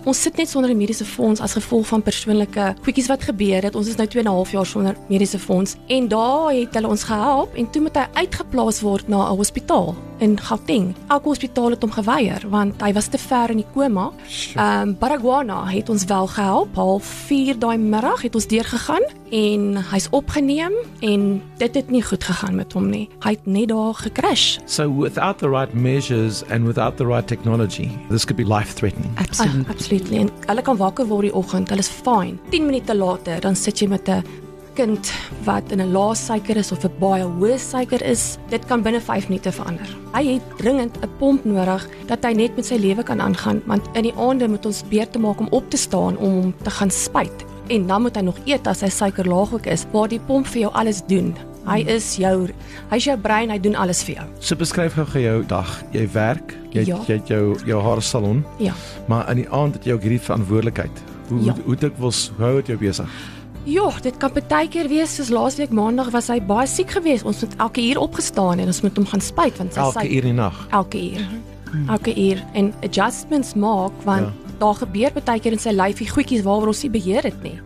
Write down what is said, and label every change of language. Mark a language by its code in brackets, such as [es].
[af] Ons sit net sonder die mediese fonds as gevolg van persoonlike goedjies wat gebeur het. Ons is nou 2.5 jaar sonder mediese fonds en daar het hulle ons gehelp en toe moet hy uitgeplaas word na 'n hospitaal in Gauteng. Elke hospitaal het hom geweier want hy was te ver in die koma. Baragwana het ons wel gehelp. 3:30 daai middag het ons deurgegaan en hy's opgeneem en dit het nie goed gegaan met hom nie. Hy het net daar gecrash. [en] So without the right measures and without the right technology, this could be life threatening. [af] Absolutely. En hulle kan wakker word die oggend, hulle is fine. 10 minute later dan sit jy met 'n kind wat in 'n lae suiker is of 'n baie hoë suiker is, dit kan binne 5 minute verander. Hy het dringend 'n pomp nodig dat hy net met sy lewe kan aangaan, want in die aande moet ons beurte maak om op te staan om hom te gaan spuit. En dan moet hy nog eet as sy suiker laag ook is, waar die pomp vir jou alles doen. Hy is jou brein, hy doen alles vir jou. So beskryf gou vir jou dag. Jy werk, jy het jou haarsalon. Ja. Maar in die aand het jy ook hierdie verantwoordelikheid. Hoe het jy besig? Ja, dit kan baie keer wees, soos laasweek maandag was hy baie siek gewees. Ons moet elke uur opgestaan en ons moet hom gaan spuit. Want elke uur in die nag? Elke uur. Elke uur. En adjustments maak, want daar gebeur baie keer in sy lyfie goedjies waaroor ons nie beheer het nie.